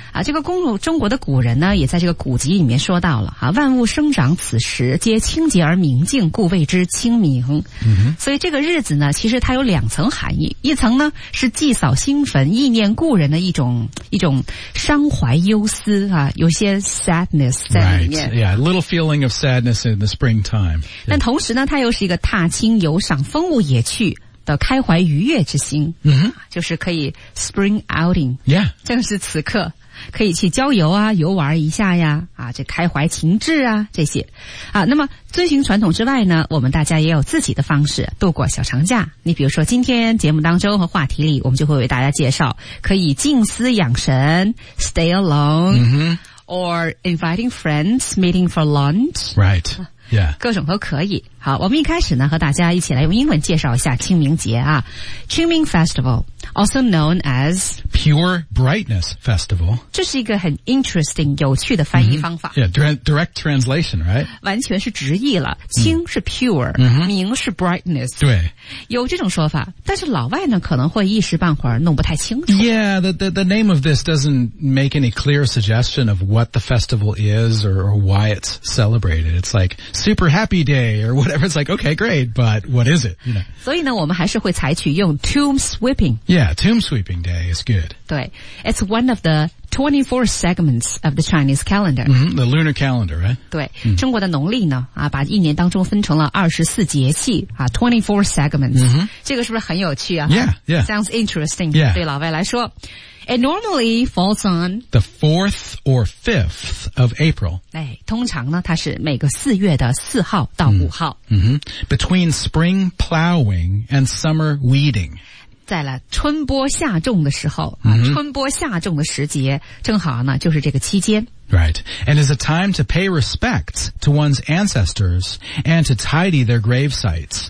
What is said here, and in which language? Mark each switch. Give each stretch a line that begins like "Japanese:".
Chinese: 啊，这个中国的古人呢，也在这个古籍里面说到了啊，万物生长此时皆清洁而明净，故谓之清明。所以这个日子呢，其实它有两层含义，一层呢是祭扫新坟，意念故人的一种伤怀忧思啊，有些 sadness 在里面。
English: Right. Yeah, a little feeling of sadness in the springtime.
Chinese: 但同时呢，它又是一个踏青游。赏风物野趣的开怀愉悦之心、就是可以
English: spring outing、 yeah.
Chinese: 正是此刻可以去郊游啊，游玩一下呀，啊，这开怀情志啊，这些啊。那么遵循传统之外呢，我们大家也有自己的方式度过小长假。你比如说今天节目当中和话题里，我们就会为大家介绍可以静思养神
English: stay alone、or inviting friends meeting for lunch right Yeah.
Chinese: 各种都可以。好，我们一开始呢，和大家一起来用英文介绍一下清明节啊。
English: Qingming Festival, also known as Pure Brightness Festival.
Chinese: 这是一个很
English: interesting,
Chinese: 有趣的翻译方法。
English: Yeah, direct translation, right?
Chinese: 完全是直译了。清是 pure, 明是 brightness. 对。有这种说法，但是老外呢，可能会一时半会儿弄不太清楚。
English: Yeah, the name of this doesn't make any clear suggestion of what the festival is or why it's celebrated. It's like super happy day or whatever. It's like, okay, great, but what is it? You know?
Chinese: 所以呢，我们还是会采取用
English: tomb sweeping. Yeah, tomb sweeping day is good.
Chinese: 对。
English: It's one of the 24 segments of the Chinese calendar. The lunar calendar, right?
Chinese: 对。中国的农历呢、把一年当中分成了24节气、
English: 24 segments.、
Chinese: 这个是不是很有趣啊
English: Yeah. Sounds interesting. Yeah.
Chinese: 对老外来说。
English: It normally falls on the 4th or 5th of April.
Chinese: 哎，通常呢，它是每个四月的四号到五号。
English: Between spring plowing and summer weeding.
Chinese: 在了春播夏种的时候、春播夏种的时节，正好呢，就是这个期间。
English: Right. And is a time to pay respects to one's ancestors and to tidy their grave sites.